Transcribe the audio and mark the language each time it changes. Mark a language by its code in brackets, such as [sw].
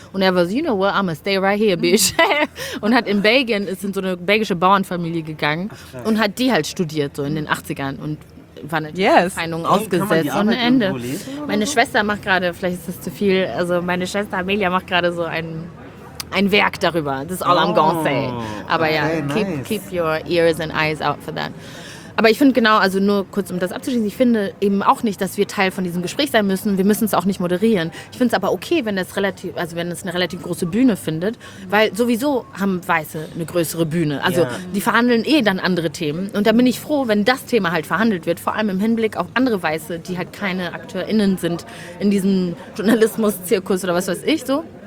[de] Und er war so, [en] you know what, I'ma stay right here, bitch. [de] Und hat in Belgien, ist in so eine belgische Bauernfamilie gegangen und hat die halt studiert, so in den 80ern. Und war eine Feindung ausgesetzt. Und ein Ende. Meine Schwester macht gerade, vielleicht ist das zu viel, also meine Schwester Amelia macht gerade so ein Werk darüber. [en] This is all I'm gonna say. [de] Aber okay, ja, [en] keep your ears and eyes out for that. [de] Aber ich finde genau, also nur kurz, um das abzuschließen, ich finde eben auch nicht, dass wir Teil von diesem Gespräch sein müssen. Wir müssen es auch nicht moderieren. Ich finde es aber okay, wenn es eine relativ große Bühne findet, weil sowieso haben Weiße eine größere Bühne. Also die verhandeln eh dann andere Themen. Und da bin ich froh, wenn das Thema halt verhandelt wird, vor allem im Hinblick auf andere Weiße, die halt keine AkteurInnen sind in diesem Journalismus-Zirkus oder was weiß ich so.